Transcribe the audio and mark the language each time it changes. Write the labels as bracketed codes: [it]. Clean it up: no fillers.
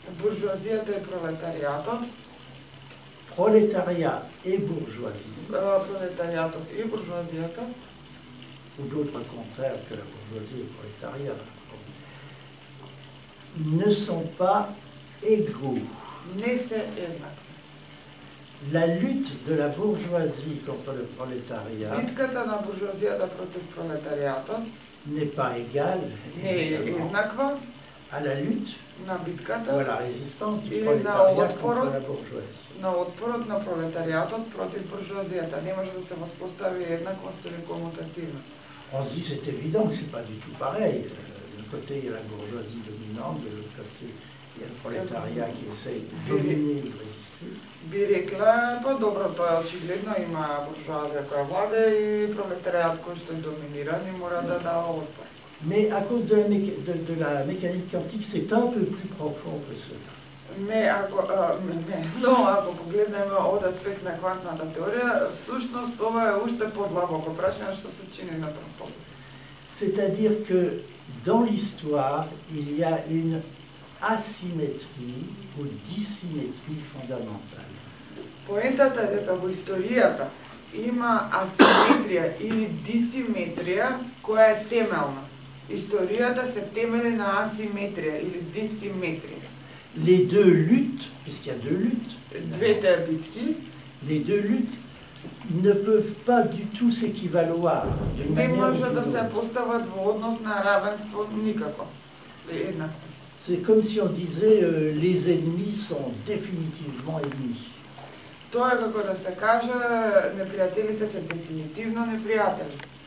[mk] Буржуазијата и пролетаријатот. [fr] Prolétariat et bourgeoisie. [mk] Пролетаријатот и буржуазијата. [fr] Ou d'autres contraires que la bourgeoisie et prolétariat. Ne sont pas égaux. [mk] Не се еднакви. [fr] La lutte de la bourgeoisie contre le prolétariat. [mk] Битката на буржуазијата против пролетаријатот. [fr] N'est pas égal à la lutte ou à la résistance du prolétariat contre la bourgeoisie. [mk] На отпорот на пролетаријатот против буржуазијата не може да се воспостави еднаквост или комутативно. [fr] On se dit c'est évident que c'est pas du tout pareil. D'un côté il y a la bourgeoisie dominante, de l'autre côté il y a le prolétariat qui essaye de dominer et de résister. [mk] Би рекла, па добро, тоа е очигледно, има буржуазија која владе и пролетаријат кој што е доминиран и мора да дава отпор. [fr] Mais à cause de la mécanique quantique, c'est un peu plus profond que cela. [mk] Ако погледнеме од аспект на квантната теорија, всушност ова е уште подлабоко прашање што се чини на прв поглед. [fr] C'est-à-dire que dans l'histoire, il y a une asymétrie ou dissymétrie fondamentale. [mk] Поентата е дека во историјата има асиметрија или дисиметрија која е темелна. Историјата се темели на асиметрија или дисиметрија. [fr] Les deux luttes, puisqu'il y a deux luttes, [mk] двете битки, [fr] les deux luttes ne peuvent pas du tout s'équivaloir. [mk] Не може да се постават во однос на равенство никако. [fr] C'est comme si on disait les ennemis sont définitivement ennemis. [mk] Тоа е како да се каже непријателите се дефинитивно непријатели.